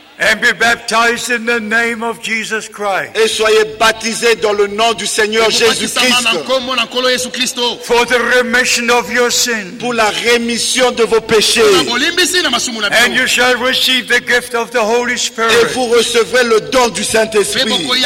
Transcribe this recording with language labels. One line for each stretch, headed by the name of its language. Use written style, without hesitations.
English: And be baptized in the name of Jesus Christ.
French: Et soyez baptisés dans le nom du Seigneur Jésus-Christ.
English: For the remission of your sins.
French: Pour la rémission de vos péchés.
English: And you shall receive the gift of the Holy Spirit.
French: Et vous recevrez le don du Saint-Esprit.